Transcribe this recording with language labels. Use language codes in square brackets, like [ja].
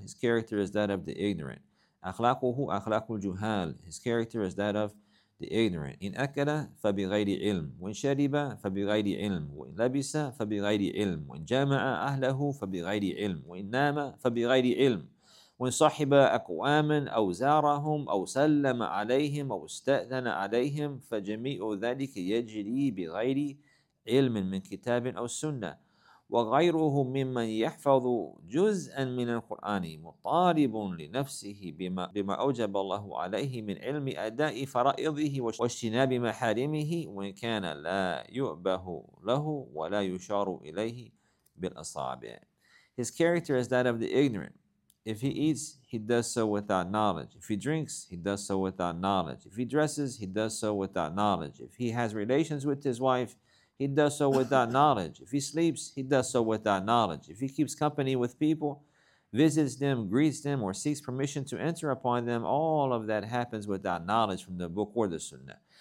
[en] His character is that of the ignorant. [ar] أخلاقه أخلاق الجهال. [en] His character is that of the ignorant. [ar] إن أكل فبغير علم وإن شرب فبغير علم وإن لبس فبغير علم وإن جامع أهله فبغير علم وإن نام فبغير علم وإن صحب أقواما أو زارهم أو سلم عليهم أو استأذن عليهم فجميع ذلك يجري بغير علم من كتاب أو سنة وغيره ممن يحفظ جزءا من القرآن مطالب لنفسه بما أوجب الله عليه من علم أداء فرائضه واجتناب محارمه وإن كان لا يؤبه له ولا يشار إليه بالأصابع. [en] His character is that of the ignorant. If he eats, he does so without knowledge. If he drinks, he does so without knowledge. If he dresses, he does so without knowledge. If he has relations with his wife, he does so without knowledge. If he sleeps, he does so without knowledge. If he keeps company with people, visits them, greets them, or seeks permission to enter upon them, all of that happens without knowledge from the book or the sunnah.